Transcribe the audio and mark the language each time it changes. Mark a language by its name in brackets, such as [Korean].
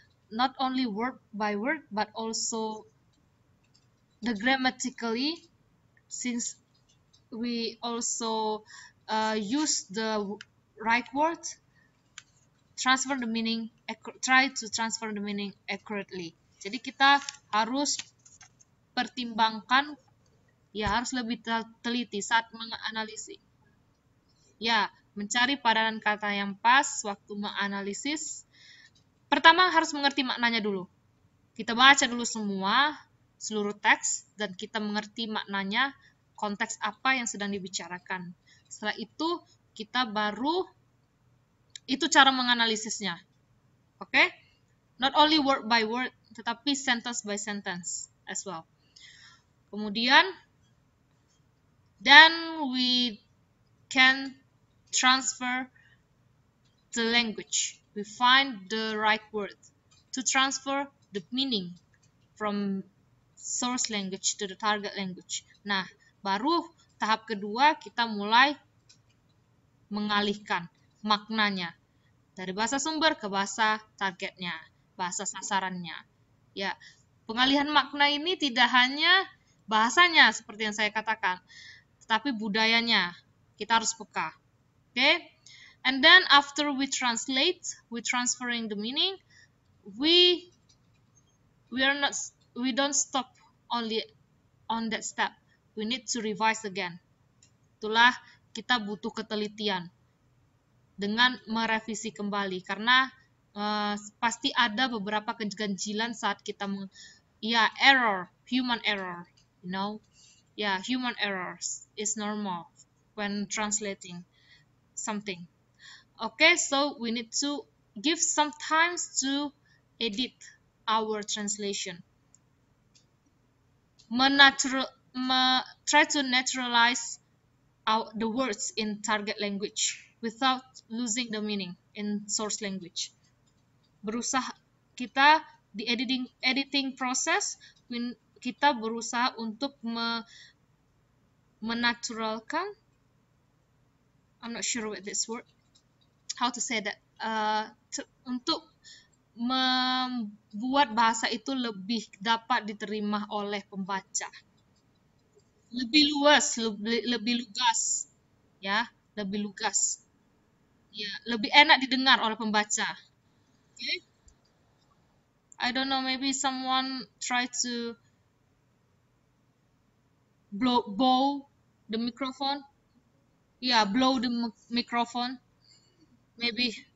[English] Not only word by word, but also the grammatically, since we also use the right word, transfer the meaning, try to transfer the meaning accurately. [Indonesian] Jadi kita harus pertimbangkan, ya harus lebih teliti saat menganalisis. Ya, mencari padanan kata yang pas waktu menganalisis. Pertama harus mengerti maknanya dulu. Kita baca dulu semua, seluruh teks, dan kita mengerti maknanya, konteks apa yang sedang dibicarakan. Setelah itu, kita baru, itu cara menganalisisnya. [English] Oke? Okay? Not only word by word, [Indonesian] tetapi [English] sentence by sentence as well. [Indonesian] Kemudian, [English] then we can transfer the language. We find the right word to transfer the meaning from source language to the target language. [Indonesian] Nah, baru tahap kedua kita mulai mengalihkan maknanya dari bahasa sumber ke bahasa targetnya, bahasa sasarannya. Ya, pengalihan makna ini tidak hanya bahasanya seperti yang saya katakan, tetapi budayanya. Kita harus peka. Oke? [English] And then after we translate, we transferring the meaning, we don't stop only on that step. We need to revise again. [Indonesian] Itulah kita butuh ketelitian dengan merevisi kembali karena pasti ada beberapa keganjilan saat kita error, [English] human error, you know. Yeah, human errors is normal when translating something. Okay, so we need to give some time to edit our translation. Try to naturalize the words in target language without losing the meaning in source language. [Indonesian] Berusaha kita di editing process, kita berusaha untuk menaturalkan. [English] I'm not sure what this word. How to say that? [Indonesian] Untuk membuat bahasa itu lebih dapat diterima oleh pembaca. Lebih luas, lebih lugas. Ya, lebih lugas. Ya, lebih enak didengar oleh pembaca. [English] Okay. I don't know, maybe someone try to blow the microphone. Yeah, blow the microphone. Maybe.